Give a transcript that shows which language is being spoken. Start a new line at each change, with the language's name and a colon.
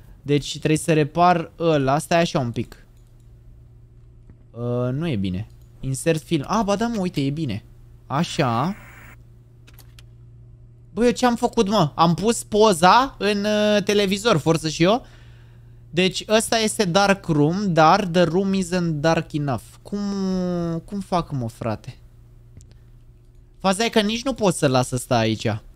Romanian: Deci trebuie să repar ăla, stai așa un pic. Nu e bine.
English: Insert film.
Romanian: Ah, ba da, mă, uite, e bine. Așa. Băi, eu ce-am făcut, mă? Am pus poza în televizor, forță și eu. Deci ăsta este
English: dark room,
Romanian: dar
English: the room isn't dark enough.
Romanian: Cum fac, mă, frate? Faza e că nici nu pot să lasă asta aici.